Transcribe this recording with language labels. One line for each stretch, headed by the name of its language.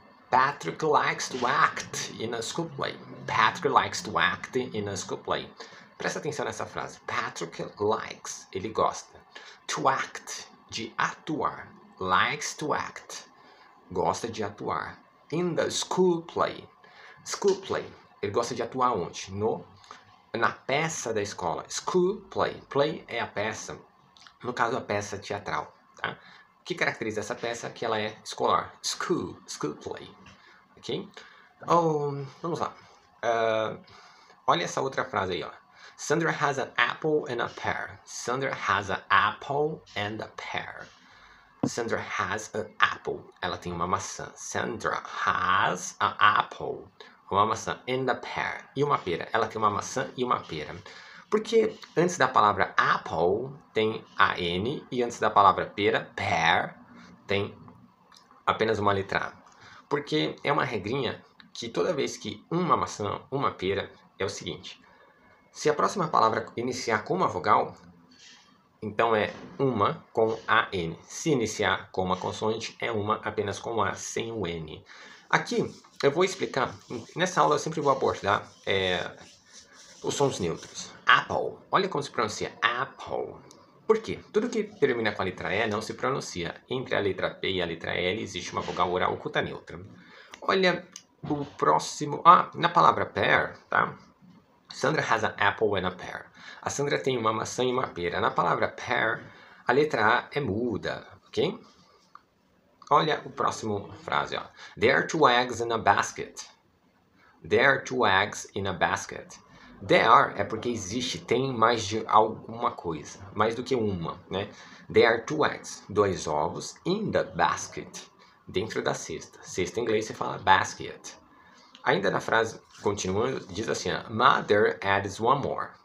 English: Patrick likes to act in a school play. Patrick likes to act in a school play.
Portuguese: Presta atenção nessa frase.
English: Patrick likes,
Portuguese: ele gosta.
English: To act,
Portuguese: de atuar.
English: Likes to act,
Portuguese: gosta de atuar.
English: In the school play. School play,
Portuguese: ele gosta de atuar onde? No, na peça da escola.
English: School play.
Portuguese: Play é a peça, no caso, a peça teatral, tá? Que caracteriza essa peça? Que ela é escolar.
English: School play.
Portuguese: Ok? Oh, vamos lá. Olha essa outra frase aí, ó.
English: Sandra has an apple and a pear. Sandra has an apple and a pear. Sandra has an apple.
Portuguese: Ela tem uma maçã.
English: Sandra has an apple.
Portuguese: Uma maçã.
English: And a pear.
Portuguese: E uma pera. Ela tem uma maçã e uma pera. Porque antes da palavra apple tem a N e antes da palavra pera, pear, tem apenas uma letra A. Porque é uma regrinha que toda vez que uma maçã, uma pera, é o seguinte. Se a próxima palavra iniciar com uma vogal, então é uma com AN. Se iniciar com uma consoante, é uma apenas com A, sem o N. Aqui, eu vou explicar. Nessa aula, eu sempre vou abordar os sons neutros. Apple. Olha como se pronuncia. Apple. Por quê? Tudo que termina com a letra E não se pronuncia. Entre a letra P e a letra L existe uma vogal oral oculta neutra. Olha o próximo. Ah, na palavra pear, tá?
English: Sandra has an apple and a pear.
Portuguese: A Sandra tem uma maçã e uma pera. Na palavra pear, a letra A é muda, ok? Olha o próximo frase, ó.
English: There are two eggs in a basket. There are two eggs in a basket. There are
Portuguese: é porque existe, tem mais de alguma coisa, mais do que uma, né?
English: There are two eggs,
Portuguese: dois ovos,
English: in the basket,
Portuguese: dentro da cesta. Cesta em inglês você fala basket. Ainda na frase, continuando, diz assim, ó,
English: Mother adds one more.